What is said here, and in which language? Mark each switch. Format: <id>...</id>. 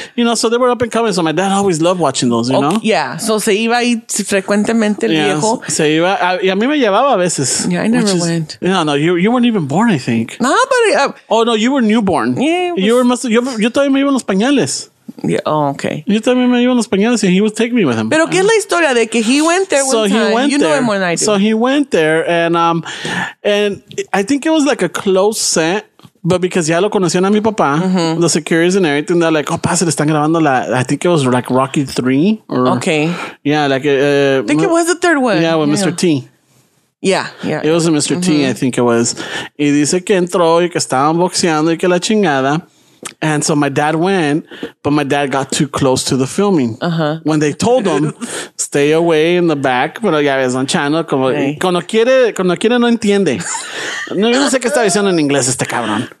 <en>you know, so they were up and coming, so my dad always loved watching those, you know. Yeah. So</en> <es>se iba y frecuentemente el viejo. Se iba y a mí me llevaba a veces.</es> <en>Yeah, I know. Never went. No, you weren't even born, I think. Nobody. Oh no, you were newborn. Yeah, you were. You told me you were</en> <es>los pañales.</es> <en>Yeah. Oh, okay. You told me you were</en> <es>los pañales,</es> <en>and he would take me with him.</en> <es>Pero qué es la historia de que</es> <en>he went there. So one he time. Went you there. You know him more than I do. So he went there, and I think it was like a close set. But because</en> <es>ya lo conocían a mi papá,</es> <en>the securities and everything, they're like, oh,</en> <es>pase, le están grabando</es> <en>I think it was like Rocky 3. Okay. Yeah, like. I think it was the third one. Yeah, with Mr. T. Yeah, yeah. It was a Mr. T, I think it was.</en> <es>Y dice que entró y que estaban boxeando y que la chingada.</es> <en>And so my dad went, but my dad got too close to the filming. When they told him, stay away in the back.</en> <es>Pero ya ves,</es> <en>on channel,</en> <es>como, cuando quiere no entiende. No, yo no sé qué está diciendo en inglés este cabrón.</es>